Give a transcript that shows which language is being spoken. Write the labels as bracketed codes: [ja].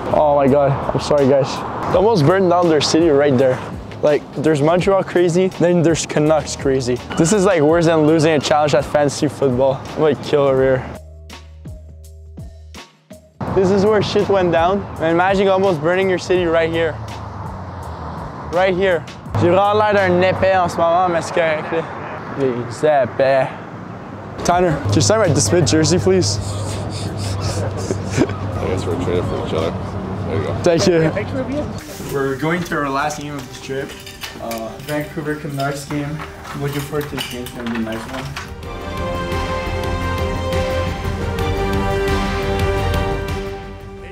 [en] Oh my god, I'm sorry guys. They almost burned down their city right there. Like, there's Montreal crazy, then there's Canucks crazy. This is like worse than losing a challenge at fantasy football. I'm like kill over here. This is where shit went down. And imagine almost burning your city right here. Right here. [fr] J'ai vraiment l'air d'un épais en ce moment, mais c'est correct. Les épais. [en] Tanner, can you sign my Dismid jersey, please? I guess we're traded for each other. There you go. Thank you. We're going to our last game of this trip. Vancouver Canucks game. Looking forward to this game. It's going to be a nice one.